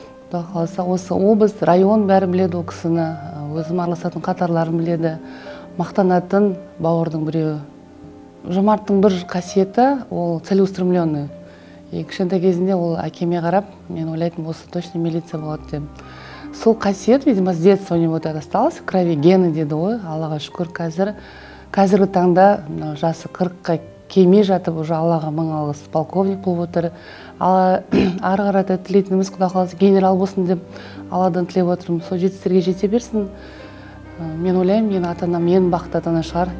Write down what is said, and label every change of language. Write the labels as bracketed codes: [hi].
[kk] Құдай қаласа осы облыс, район бәрі біледі ол кісіні. Өзім араласатын қатарларын біледі. Мақтанатын бауырдың біреуі. Жомарттың бір қасиеті ол [ru] целеустремленный. [kk] Кішкентай кезінде ол әкеме қарап, мен ойлайтынмын осы [ru] точно [kk] милиция болады деп. Сол қасиет, [ru] видимо, с детства у него это осталось, крови гены [kk] деді ғой. Аллаға шүкір қазір. Қазіргі таңда жасы 40-қа келмей жатып [ru] уже [kk] Аллаға мың алғыс полковник болып отыр. Ары қарата тілейтініміз Құдай қаласа генерал болсын деп Алладан тілеп отырмын. Сол жетістерге жете берсін. Мен ойлаймын, менің ата-анам ең бақытты ата-ана шығар.